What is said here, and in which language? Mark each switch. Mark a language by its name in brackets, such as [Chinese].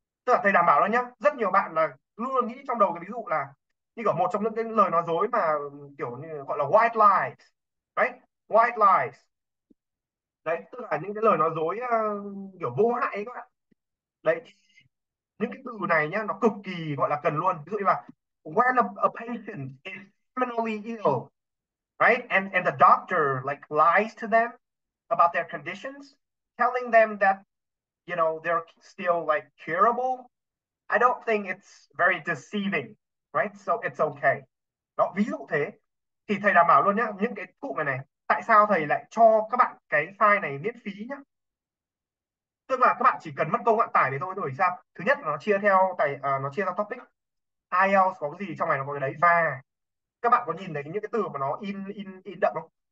[Vietnamese] Tức là thầy đảm bảo đó nhá, rất nhiều bạn là luôn luôn nghĩ trong đầu cái ví dụ là như kiểu một trong những cái lời nói dối mà kiểu như gọi là white lies đấy, white lies đấy, tức là những cái lời nói dối kiểu vô hại ấy các bạn đấy. Những cái từ này nhá, nó cực kỳ gọi là cần luôn. [English] Ví dụ như là when a patient is terminally ill right and the doctor like lies to them about their conditions telling them that they're still like curable, I don't think it's very deceiving, right? So it's okay. [Vietnamese] Đó, ví dụ thế. Thì thầy đảm bảo luôn nhá, những cái cụm này này, tại sao thầy lại cho các bạn cái file này miễn phí nhá? Tức là các bạn chỉ cần mất công bạn tải để thôi, rồi sao? Thứ nhất là nó chia theo tài, nó chia theo topic. IELTS có cái gì trong này nó có cái đấy. Và các bạn có nhìn thấy những cái từ mà nó in in in đậm không?